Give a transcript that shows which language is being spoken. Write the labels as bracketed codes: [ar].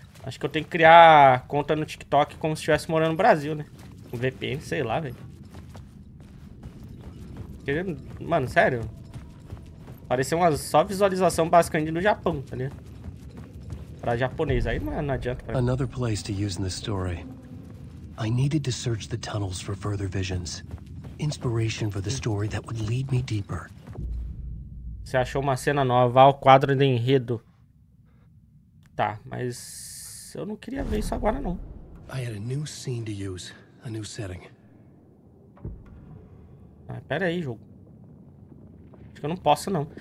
[pt] Acho que eu tenho que criar conta no TikTok como se estivesse morando no Brasil, né? Com VPN, sei lá, velho. Mano, sério? Pareceu uma só visualização basicamente no Japão, tá ligado? Pra japonês, aí não adianta. Pra... [en] Another place to use in this story. I needed to search the tunnels for further visions. Inspiration for the story that would lead me deeper. [pt] Você achou uma cena nova, vá ao quadro de enredo. Tá, mas eu não queria ver isso agora não. [en] I had a new scene to use, a new setting. [pt] Ah, pera aí, jogo. Acho que eu não posso não.